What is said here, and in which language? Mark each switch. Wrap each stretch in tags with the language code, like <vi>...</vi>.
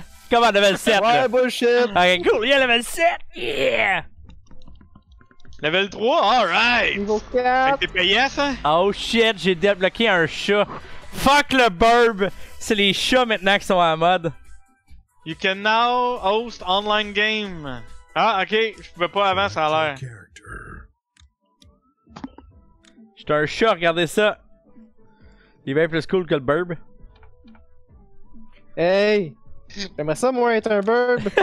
<fr>Comment, level 7? Ouais, là?</fr> <en>Bullshit!</en> <fr>Ok, cool, y'a level 7!</fr> <en>Yeah! Level 3? Alright!</en> <fr>Niveau 4! T'es payé ça? Oh shit, j'ai débloqué un chat! Fuck le burb! C'est les chats maintenant qui sont à la mode.</fr> <en>You can now host online game.</en> <fr>Ah, ok. Je pouvais pas avant, ça a l'air. J'étais un chat, regardez ça. Il est bien plus cool que le burb. Hey! J'aimerais ça, moi, être un burb.</fr>